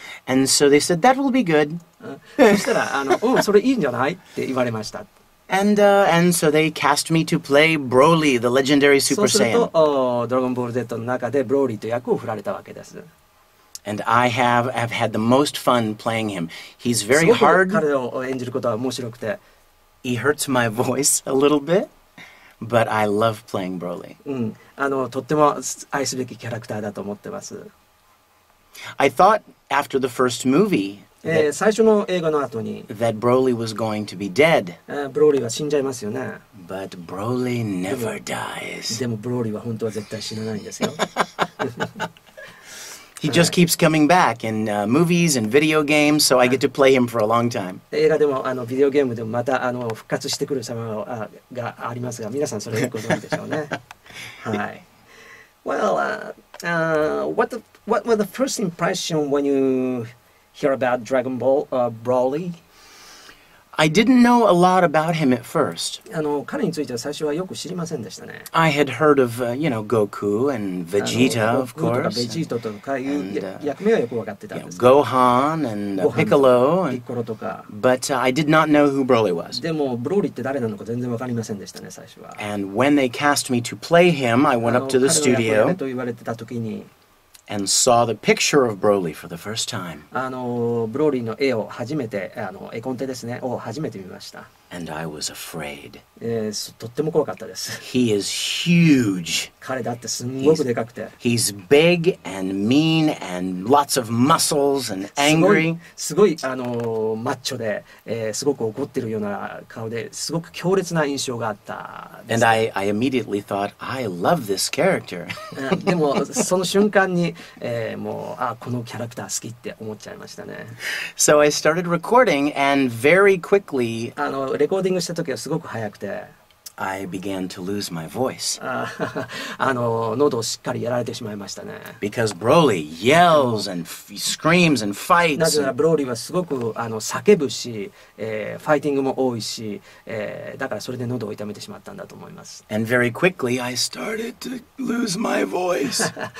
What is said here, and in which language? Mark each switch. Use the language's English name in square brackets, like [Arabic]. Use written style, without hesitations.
[English] And so they said, that will be good. [Japanese] そしたら、うん、それいいんじゃないって言われました。 [English] And, and so they cast me to play Broly, the legendary Super Saiyan. [Japanese] そうすると、ドラゴンボール Z の中で Broly という役を振られたわけです。 [English] And I have had the most fun playing him. He's very hard. [Japanese] すごく彼を演じることは面白くて。 [English] He hurts my voice a little bit, but I love playing Broly. [Japanese] うん、とっても愛すべきキャラクターだと思ってます。 [English] I thought after the first movie, [Japanese] 最初の映画の後に、 [English] that Broly was going to be dead. [Japanese] Broly は死んじゃいますよね。 [English] But Broly never dies. [Japanese] でも Broly は本当は絶対死なないんですよ。 [English] He just keeps coming back in movies and video games, so I get to play him for a long time. [Japanese] 映画でもあのビデオゲームでもまたあの復活してくる様がありますが、皆さんそれご存知でしょうね。はい。 [English] Well, what were the first impression when you hear about Dragon Ball Broly? I didn't know a lot about him at first. [Japanese] あの彼については最初はよく知りませんでしたね。 [English] I had heard of, you know, Goku and Vegeta, of course. [Japanese] ベジータとか役目はよく分かってたんですけど。 [English] Gohan and Piccolo. [Japanese] ピッコロとか。 [English] But I did not know who Broly was. [Japanese] でもブローリーって誰なのか全然分かりませんでしたね、最初は。 [English] And when they cast me to play him, I went up to the studio. [Japanese] 彼の役目と言われてた時に。 [English] And saw the picture of Broly for the first time. [Japanese] あのブローリーの絵を初めてあの絵コンテですねを初めて見ました。 [English] And I was afraid. [Japanese] とっても怖かったです。 [English] He is huge. [Japanese] 彼だってすんごくでかくて。 [English] He's big and mean and lots of muscles and angry. [Japanese] すごいあのマッチョで、すごく怒ってるような顔ですごく強烈な印象があったです。 [English] And I immediately thought, I love this character. [Japanese] でもその瞬間に、もうあこのキャラクター好きって思っちゃいましたね。 [English] So I started recording and very quickly. [Japanese] あのレコーディングした時はすごく早くて [English] I began to lose my voice. [Japanese] あの喉をしっかりやられてしまいましたね。 [English] Because Broly yells and screams and fights. [Japanese] なぜならブローリーはすごくあの叫ぶし、ファイティングも多いし、だからそれで喉を痛めてしまったんだと思います。 [English] And very quickly I started to lose my voice.